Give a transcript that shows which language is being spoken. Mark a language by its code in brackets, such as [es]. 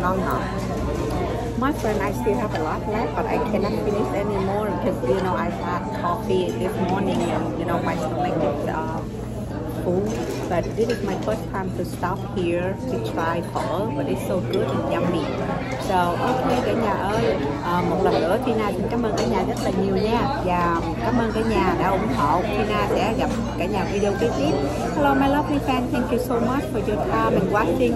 [en] My friend, I still have a lot left, but I cannot finish anymore because you know I had coffee this morning and you know my stomach is full. But this is my first time to stop here to try phở, but it's so good and yummy. [vi] So okay, cả nhà ơi, một lần nữa Tina xin cảm ơn cả nhà rất là nhiều nha, và cảm ơn cả nhà đã ủng hộ. Tina sẽ gặp cả nhà video kế tiếp. [en] Hello my lovely fan, thank you so much for your time and watching.